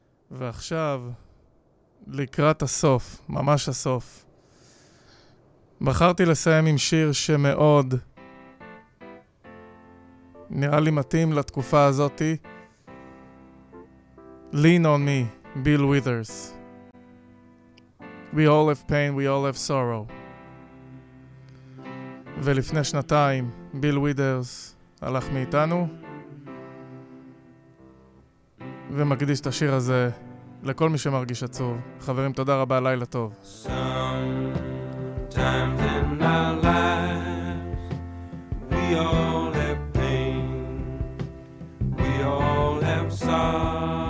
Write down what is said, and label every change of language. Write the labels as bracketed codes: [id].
[he] ועכשיו, לקראת הסוף, ממש הסוף, בחרתי לסיים עם שיר שמאוד נראה לי מתאים לתקופה הזאת. [en] Lean on me, ביל ווית'רס. We all have pain, we all have sorrow. [he] ולפני שנתיים, ביל ווית'רס הלך מאיתנו, ומקדיש את השיר הזה לכל מי שמרגיש עצוב. חברים, תודה רבה, לילה טוב. [en] Sometimes in our lives, we all have pain, we all have sorrow.